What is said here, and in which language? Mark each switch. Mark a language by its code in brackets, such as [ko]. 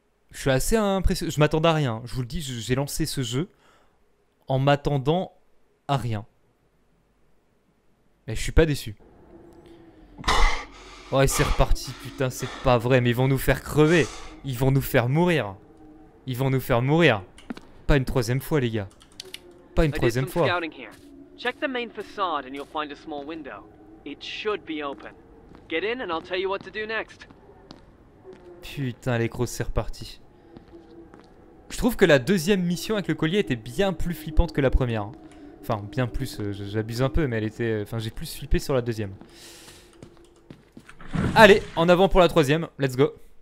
[fr] Je Je suis assez impressionné. Je m'attendais à rien. Je vous le dis, j'ai lancé ce jeu en m'attendant à rien. Mais je suis pas déçu. Ouais, c'est reparti, putain, c'est pas vrai. Mais ils vont nous faire crever. Ils vont nous faire mourir. Ils vont nous faire mourir. Pas une troisième fois, les gars. Pas une troisième fois. [en] Check the main facade and you'll find a small window. It should be open. Get in and I'll tell you what to do next. [fr] Putain, les gros, c'est reparti. Je trouve que la deuxième mission avec le collier était bien plus flippante que la première. Enfin, bien plus, j'abuse un peu, mais elle était... Enfin, j'ai plus flippé sur la deuxième. Allez, en avant pour la troisième. [en] Let's go.